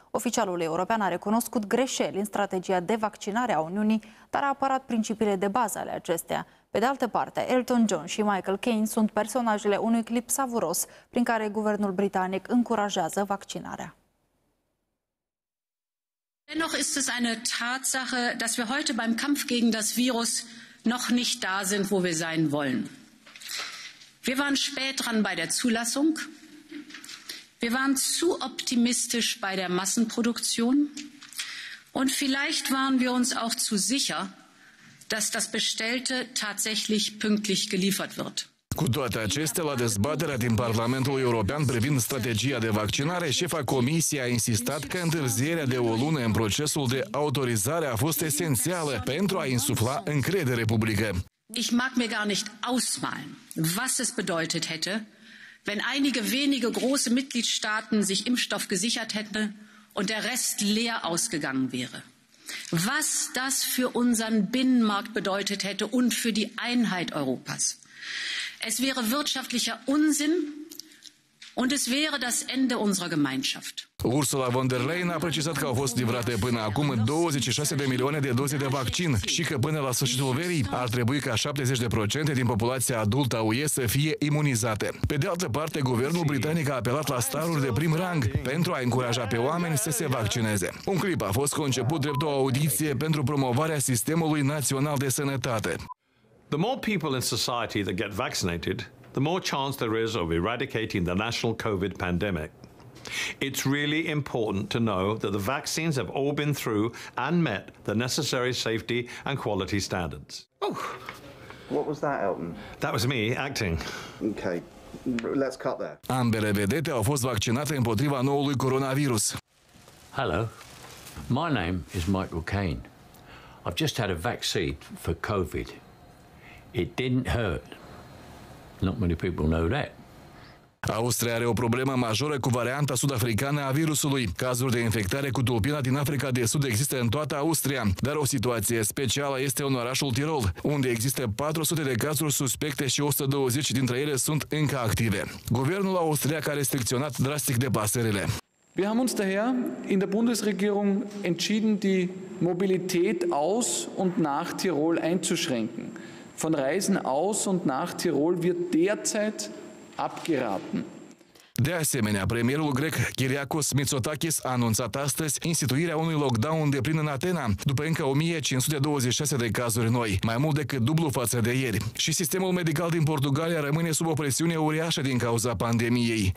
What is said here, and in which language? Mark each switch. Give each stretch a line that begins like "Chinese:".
Romanian: Oficialul european a recunoscut greșeli în strategia de vaccinare a Uniunii, dar a apărat principiile de bază ale acesteia. Pe de altă parte, Elton John și Michael Caine sunt personajele unui clip savuros prin care guvernul britanic încurajează vaccinarea.
German: Dennoch ist es eine Tatsache, dass wir heute beim Kampf gegen das Virus noch nicht da sind, wo wir sein wollen. Wir waren spät dran bei der Zulassung. Wir waren zu optimistisch bei der Massenproduktion. Und vielleicht waren wir uns auch zu sicher, dass das Bestellte tatsächlich pünktlich geliefert wird.
Romanian: Cu toate acestea, la dezbaterea din Parlamentul European privind strategia de vaccinare, șefa Comisiei a insistat că întârzierea de o lună în procesul de autorizare a fost esențială pentru a insufla încredere publică.
German: Ich mag mir gar nicht ausmalen, was es bedeutet hätte, wenn einige wenige große Mitgliedstaaten sich Impfstoff gesichert hätten und der Rest leer ausgegangen wäre. Was das für unseren Binnenmarkt bedeutet hätte und für die Einheit Europas. Es wäre wirtschaftlicher Unsinn und es wäre das Ende unserer Gemeinschaft.
Romanian: Ursula von der Leyen a precizat că au fost livrate până acum 26 de milioane de doze de vaccin și că până la sfârșitul verii ar trebui ca 70% din populația adultă a UE să fie imunizate. Pe de altă parte, guvernul britanic a apelat la staruri de prim rang pentru a încuraja pe oameni să se vaccineze. Un clip a fost conceput drept o audiție pentru promovarea sistemului național de sănătate.
English: The more people in society that get vaccinated, the more chance there is of eradicating the national COVID pandemic. It's really important to know that the vaccines have all been through and met the necessary safety and quality standards. Oh, what was that, Elton? That was me acting. Okay, let's cut there.
Romanian: Ambele vedete au fost vaccinate împotriva noului coronavirus.
English: Hello, my name is Michael Caine. I've just had a vaccine for COVID. It didn't hurt. Not many people know that.
Romanian: Austria are o problemă majoră cu varianta sud-africană a virusului. Cazuri de infectare cu tulpina din Africa de Sud există în toată Austria, dar o situație specială este în orașul Tirol, unde există 400 de cazuri suspecte și 120 dintre ele sunt încă active. Guvernul austriac a restricționat drastic deplasările.
German: Wir haben uns daher in der Bundesregierung entschieden, die Mobilität aus und nach Tirol einzuschränken. Von Reisen aus und nach Tirol wird derzeit abgeraten.
Romanian: De asemenea, premierul grec Kyriakos Mitsotakis a anunțat astăzi instituirea unui lockdown deplin în Atena, după încă 1526 de cazuri noi, mai mult decât dublu față de ieri. Și sistemul medical din Portugalia rămâne sub o presiune uriașă din cauza pandemiei.